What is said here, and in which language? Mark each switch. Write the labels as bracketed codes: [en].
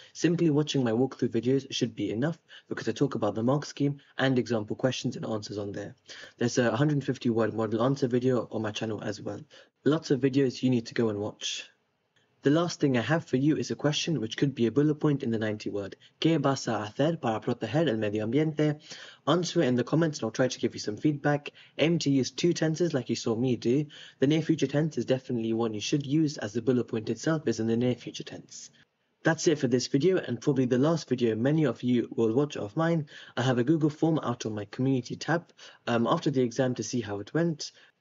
[en] Simply watching my walkthrough videos should be enough, because I talk about the mark scheme and example questions and answers on there. There's a 150 word model answer video on my channel as well. Lots of videos you need to go and watch. The last thing I have for you is a question which could be a bullet point in the 90 word. [es] ¿Qué vas a hacer para proteger el medio ambiente? [en] Answer it in the comments and I'll try to give you some feedback. Aim to use two tenses like you saw me do. The near future tense is definitely one you should use, as the bullet point itself is in the near future tense. That's it for this video, and probably the last video many of you will watch of mine. I have a Google form out on my community tab after the exam to see how it went.